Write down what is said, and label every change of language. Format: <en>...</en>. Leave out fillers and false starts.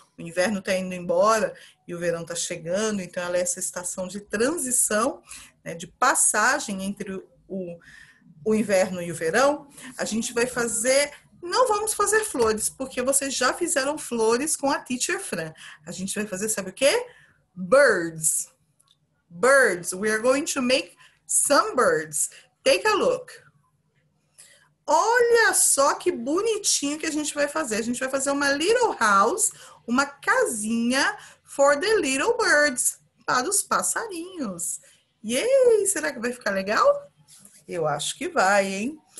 <pt>O inverno está indo embora e o verão está chegando, então ela é essa estação de transição, né? De passagem entre o inverno e o verão. A gente vai fazer. Não vamos fazer flores, porque vocês já fizeram flores com a Teacher Fran. A gente vai fazer, sabe o quê?</pt> <en>Birds. Birds, we are going to make some birds. Take a look.</en> <pt>Olha só que bonitinho que a gente vai fazer. A gente vai fazer uma</pt> <en>little house,</en> <pt>uma casinha</pt> <en>for the little birds,</en> <pt>para os passarinhos. Yay! Será que vai ficar legal? Eu acho que vai, hein?</pt>